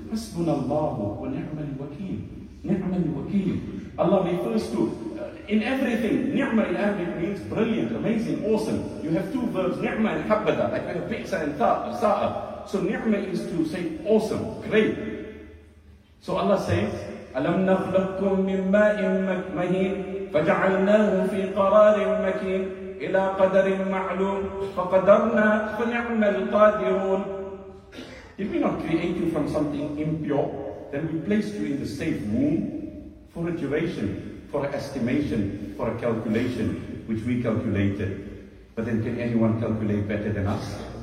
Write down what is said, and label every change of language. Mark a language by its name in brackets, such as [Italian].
[Arabic] Hasbunallahu wa ni'mal wakeel. Ni'mal wakeel. [English] Allah refers to, in everything, ni'ma in Arabic means brilliant, amazing, awesome. You have two verbs, ni'ma and habbada, like a pizza and sa'a. So ni'ma is to say awesome, great. So Allah says, [Arabic] أَلَمْ نَخْلَقْكُمْ مِنْ مَاءٍ مَهِينٍ فَجَعَلْنَاهُ فِي قَرَارٍ مَكِينٍ إِلَىٰ قَدَرٍ مَعْلُومٍ فَقَدَرْنَا فَنِعْمَ الْقَادِرُونَ. [English] Did we not create you from something impure? Then we placed you in the safe womb for a duration, for an estimation, for a calculation, which we calculated. But then can anyone calculate better than us?